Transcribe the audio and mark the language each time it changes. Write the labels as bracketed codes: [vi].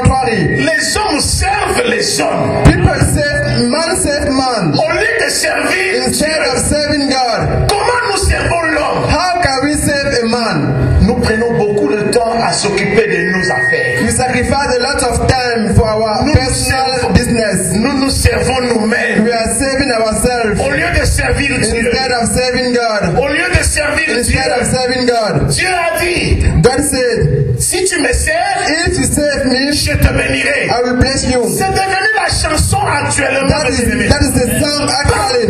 [fr] Les hommes servent les hommes. [en] People save man, save man. [fr] Au lieu de servir, [en] instead of serving God. [fr] Comment nous servons l'homme? [en] How can we save a man? [fr] Nous prenons beaucoup de temps à s'occuper de nos affaires. [en] We sacrifice a lot of time for our nous personal servons, business. [fr] Nous nous servons nous-mêmes. [en] We are serving ourselves. [fr] Au lieu de servir [en] instead [fr] Dieu. [en] Instead of serving God. [fr] Au lieu de servir [en] instead [fr] Dieu. [en] Instead of serving God. [fr] Dieu a dit. [en] God said. [fr] Si tu me sers, [en] if you save me, [fr] je te bénirai. [en] I will bless you. [fr] C'est devenu la chanson actuellement. [en] That is the song actually.